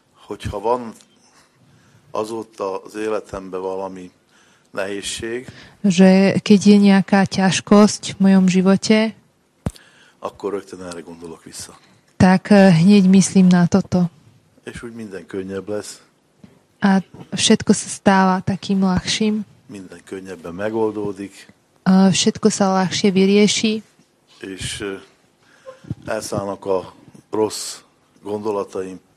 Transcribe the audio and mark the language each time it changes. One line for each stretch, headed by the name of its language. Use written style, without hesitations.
Hungarian: Hogyha van azóta az életemben valami nehézség,
Slovak: že keď je nejaká ťažkosť v mojom živote,
Hungarian: akkor rögtön erre gondolok vissza.
Slovak: Tak hneď myslím na toto.
Hungarian: És úgy minden könnyebb lesz.
Slovak: A všetko sa stáva takým ľahším.
Hungarian: Minden könnyebben megoldódik.
Slovak: A všetko sa ľahšie vyrieši.
Hungarian: És elszállnak a rossz gondolataim.